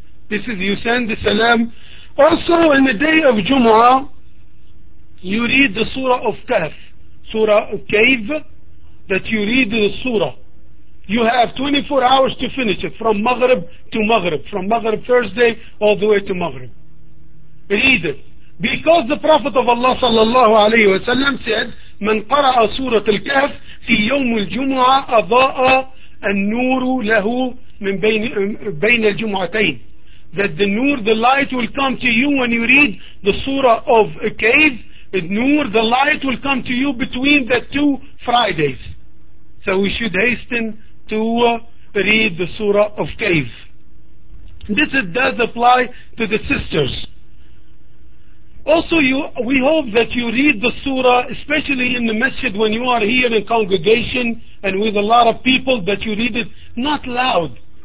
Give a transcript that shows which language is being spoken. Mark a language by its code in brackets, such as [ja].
[en] This is, you send the salam. Also in the day of Jum'ah, you read the Surah of Kahf, Surah of Kahf, that you read the Surah. You have 24 hours to finish it, from Maghrib to Maghrib, from Maghrib Thursday all the way to Maghrib. Read it. Because the Prophet of Allah sallallahu alayhi wa sallam said, [ar] من قرأ سورة الكهف في يوم الجمعة أضاء النور له من بين الجمعتين. [en] That the nur, the light will come to you when you read the surah of a cave. The nur, the light will come to you between the two Fridays. So we should hasten to read the surah of cave. This does apply to the sisters. Also, we hope that you read the surah, especially in the masjid when you are here in congregation and with a lot of people, that you read it not loud.